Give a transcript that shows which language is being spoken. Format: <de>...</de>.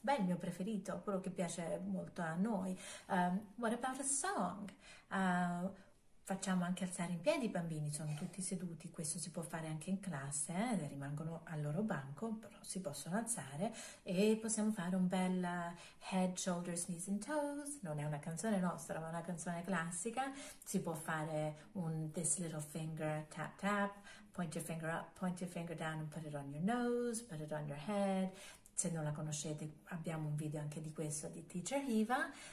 <it>Beh, il mio preferito, quello che piace molto a noi.</it> <en>What about a song?</en> <it>Facciamo anche alzare in piedi i bambini, sono tutti seduti, questo si può fare anche in classe, rimangono al loro banco, però si possono alzare, e possiamo fare un bel</it> <en>head, shoulders, knees and toes.</en> <it>Non è una canzone nostra, ma una canzone classica. Si può fare un</it> <en>this little finger, tap tap, point your finger up, point your finger down, and put it on your nose, put it on your head.</en> <it>Se non la conoscete, abbiamo un video anche di questo di Teacher Eva.</it>